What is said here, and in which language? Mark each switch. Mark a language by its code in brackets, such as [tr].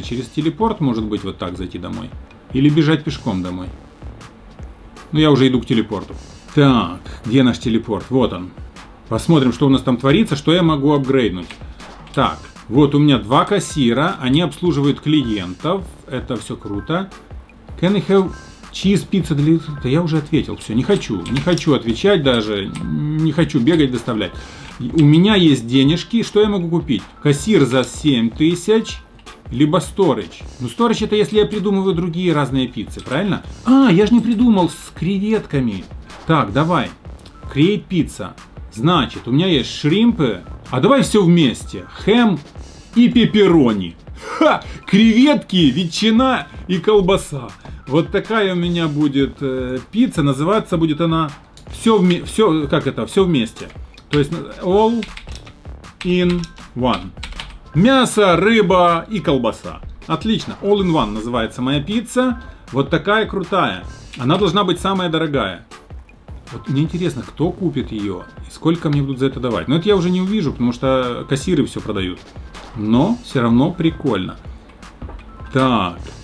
[ru] Через телепорт, может быть, вот так зайти домой? Или бежать пешком домой? Ну, я уже иду к телепорту. Так, где наш телепорт? Вот он. Посмотрим, что у нас там творится, что я могу апгрейднуть. Так, вот у меня два кассира, они обслуживают клиентов. Это все круто. [en] Can I have cheese pizza delivery? [ru] Да я уже ответил, все, не хочу отвечать даже, не хочу бегать, доставлять. У меня есть денежки, что я могу купить? Кассир за 7000. Либо сторож. Ну, сторож это если я придумываю другие разные пиццы, правильно? А, я же не придумал с креветками. Так, давай. [en] Create pizza. [ru] Значит, у меня есть шримпы. А давай все вместе. Хэм и пепперони. Ха! Креветки, ветчина и колбаса. Вот такая у меня будет пицца. Называться будет она все вместе. То есть [en] all in one. [ru] Мясо, рыба и колбаса. Отлично. [en] All in one [ru] называется моя пицца. Вот такая крутая. Она должна быть самая дорогая. Вот мне интересно, кто купит ее? И сколько мне будут за это давать? Но это я уже не увижу, потому что кассиры все продают. Но все равно прикольно. Так.